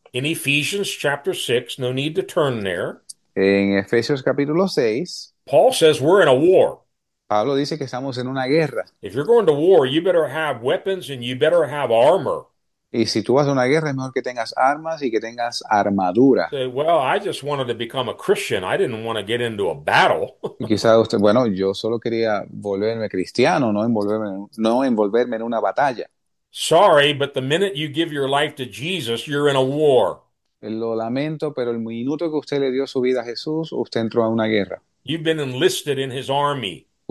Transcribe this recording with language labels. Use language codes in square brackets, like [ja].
[en] In Ephesians chapter 6, no need to turn there. [es] En Efesios capítulo 6, [en] Paul says we're in a war. [es] Pablo dice que estamos en una guerra. [en] If you're going to war, you better have weapons and you better have armor. [es] Y si tú vas a una guerra, es mejor que tengas armas y que tengas armadura. [en] Say, well, I just wanted to become a Christian. I didn't want to get into a [es] Y [en] battle. [es] quizás usted, bueno, yo solo quería volverme cristiano, no envolverme en una batalla. [en] Sorry, but the minute you give your life to Jesus, you're in a war. [es] Lo lamento, pero el minuto que usted le dio su vida a Jesús, usted entró a una guerra. [en] You've been enlisted in his army.